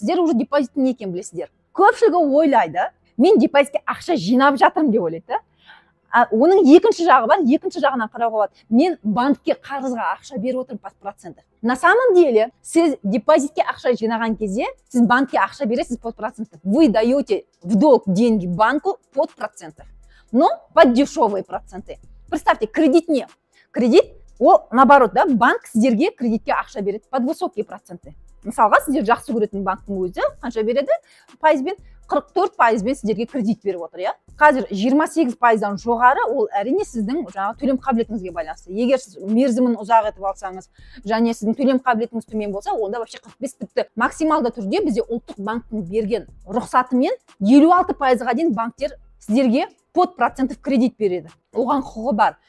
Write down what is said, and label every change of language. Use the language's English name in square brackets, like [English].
[Kazakh] Сіздер уже депозиттің не екенін білесіздер. Көпшілігі ойлайды, мен депозитке ақша жинап жатырмын деп ойлайды. Оның екінші жағы бар, екінші жағынан қарауға болады. Мен банкке қарызға ақша беріп отырмын 5%. [Russian] На самом деле, [Kazakh] сіз депозитке ақша жинаған кезде, сіз банкке ақша бересіз 5%. [Russian] Вы даете в долг деньги банку 5%. Но под дешевые проценты. Представьте, кредит не. Кредит, ол наоборот, да, [Kazakh] банк сіздерге кредитке ақша береді [Russian] под высокие проценты. [Kazakh] Мысалға, сіздер жақсы көретін банктің өзі қанша береді пайызбен? 44%-мен сіздерге кредит беріп отыр, иә? Қазір 28%-дан жоғары ол әрине сіздің жаңа төлем қабілетіңізге байланысты. Егер сіз мерзімін ұзақ етіп алсаңыз, және сіздің төлем қабілетіңіз төмен болса, онда вообще 45 тіпті максималды түрде бізде ұлттық банктің берген рұқсатымен 56%-ға дейін банктер сіздерге [Russian] под процентов [Kazakh] кредит береді. Оған құқығы бар.